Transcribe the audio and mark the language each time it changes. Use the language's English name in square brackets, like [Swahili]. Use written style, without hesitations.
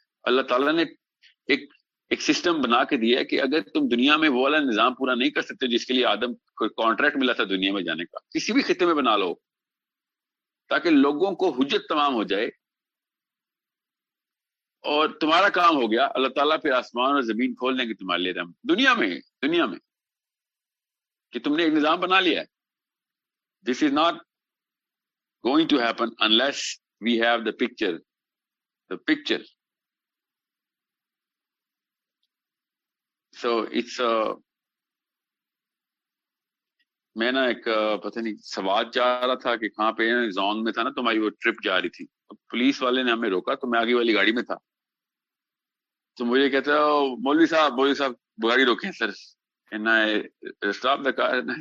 [Urdu] اللہ تعالیٰ نے ایک سسٹم بنا کے دیا ہے کہ اگر تم دنیا میں وہ والا نظام پورا نہیں کر سکتے جس کے لیے آدم کو کانٹریکٹ ملا تھا دنیا میں جانے کا, کسی بھی خطے میں بنا لو تاکہ لوگوں کو حجت تمام ہو جائے اور تمہارا کام ہو گیا, اللہ تعالیٰ پھر آسمان اور زمین کھول دیں گے تمہارے لیے رحم دنیا میں کہ تم نے ایک نظام بنا لیا ہے. [English] This is not going to happen unless we have the picture. So it's a [Urdu] میں نا ایک پتہ نہیں سوات جا رہا تھا کہ کہاں پہ زونگ میں تھا نا تمہاری وہ ٹرپ جا رہی تھی, پولیس والے نے ہمیں روکا تو میں آگے والی گاڑی میں تھا, تو مجھے کہتا ہے مولوی صاحب گاڑی روکے سر, [English] Stop the car.